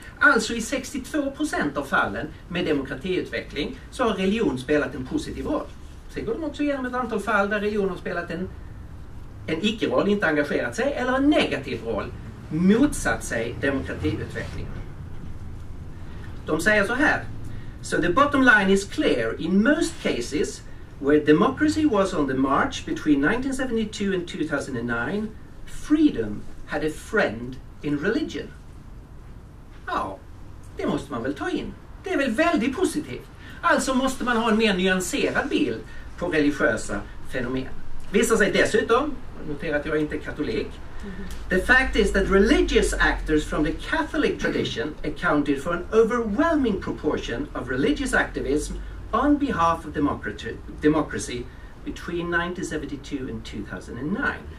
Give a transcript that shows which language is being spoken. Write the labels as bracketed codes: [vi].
[sv] Alltså i 62% av fallen med demokratiutveckling så har religion spelat en positiv roll. Sen går de också igenom ett antal fall där religion har spelat en icke-roll, inte engagerat sig, eller en negativ roll. Motsatt sig demokratiutvecklingen. De säger så här: [en] "So the bottom line is clear. In most cases where democracy was on the march between 1972 and 2009, freedom had a friend in religion." [sv] Ja, det måste man väl ta in. Det är väl väldigt positivt. Alltså måste man ha en mer nyanserad bild på religiösa fenomen. Visar sig dessutom, notera att jag inte är katolik, [en] the fact is that religious actors from the Catholic tradition accounted for an overwhelming proportion of religious activism on behalf of democracy between 1972 and 2009.